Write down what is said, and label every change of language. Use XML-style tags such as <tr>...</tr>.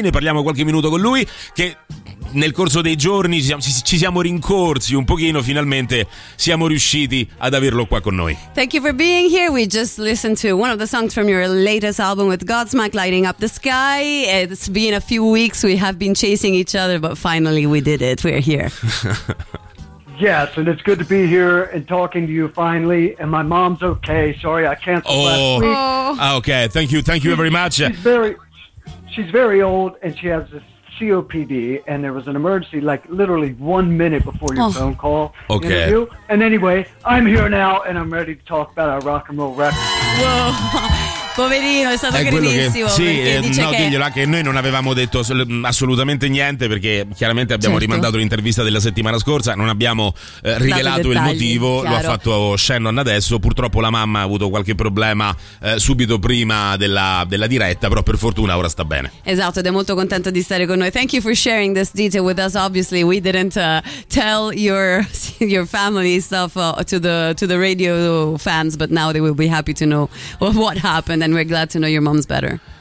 <it>Ne parliamo qualche minuto con lui, che nel corso dei giorni ci siamo rincorsi un pochino, finalmente siamo riusciti ad averlo qua con noi.</it> <en>Thank you for being here. We just listened to one of the songs from your latest album with Godsmack, Lighting Up the Sky. It's been a few weeks we have been chasing each other, but finally we did it. We're here. Yes, and it's good to be here and talking to you finally. And my mom's okay. Sorry, I canceled last week. Oh. Okay, thank you. Thank you very much. She's very old and she has this COPD, and there was an emergency like literally 1 minute before your phone call. Okay. And anyway, I'm here now and I'm ready to talk about our rock and roll record.</en> <it>Whoa. Poverino, è stato grandissimo. Diglielo, anche noi non avevamo detto assolutamente niente, perché chiaramente abbiamo rimandato l'intervista della settimana scorsa, non abbiamo rivelato il motivo, chiaro. Lo ha fatto Shannon adesso. Purtroppo la mamma ha avuto qualche problema subito prima della diretta, però per fortuna ora sta bene. Esatto, ed è molto contento di stare con noi.</it> <en>Thank you for sharing this detail with us. Obviously we didn't tell your family stuff to the radio fans, but now they will be happy to know what happened. And then we're glad to know your mom's better.</en>